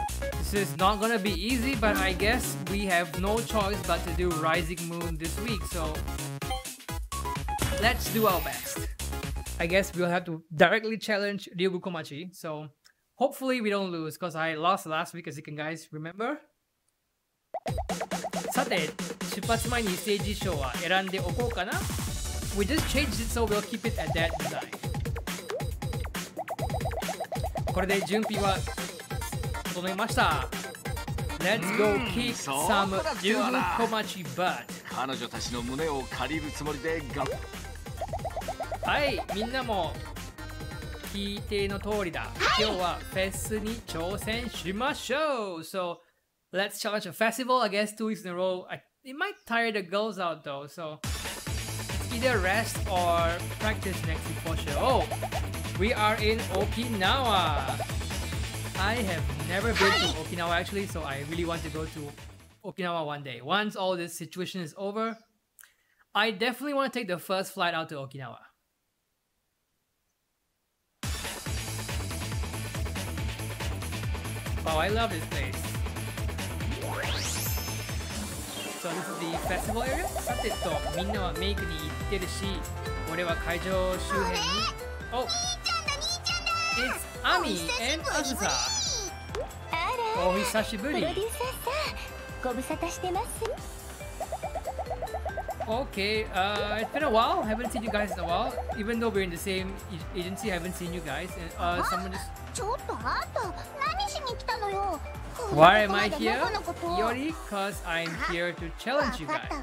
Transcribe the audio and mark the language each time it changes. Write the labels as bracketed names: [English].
[English] This is not gonna be easy, but I guess we have no choice but to do Rising Moon this week. So, let's do our best. I guess we'll have to directly challenge Ryuugu Komachi. So, hopefully we don't lose, because I lost last week, as you can guys remember. [Japanese] さて、出発前にステージ衣装は選んでおこうかな。 [English] We just changed it so we'll keep it at that design. [Japanese] これで準備は整いました。 [English] Let's go kick some Ryuugu Komachi butt. [Japanese] 彼女たちの胸を借りるつもりで頑張る。はい、みんなも聞いての通りだ。はい、今日はフェスに挑戦しましょう。 [English] SoLet's challenge a festival, I guess, 2 weeks in a row. It might tire the girls out, though, so... Either rest or practice next week for sure. Oh! We are in Okinawa! I have never been to Okinawa, actually, so I really want to go to Okinawa one day. Once all this situation is over, I definitely want to take the first flight out to Okinawa. Wow, I love this place. So this is the festival area? [Japanese] さてと、みんなはメイクに行ってるし、俺は会場周辺に… おれ、兄ちゃんだ兄ちゃんだ、 [English] It's Ami and Azusa! [Japanese] あら、お久しぶり。プロデューサーさん、ご無沙汰してます。 [English] Okay, it's been a while. I haven't seen you guys in a while. Even though we're in the same agency, I haven't seen you guys. Someone just... [Japanese] ちょっとあんた、何しに来たのよ。 [English] Why am I here? Yori, because I'm here to challenge you guys.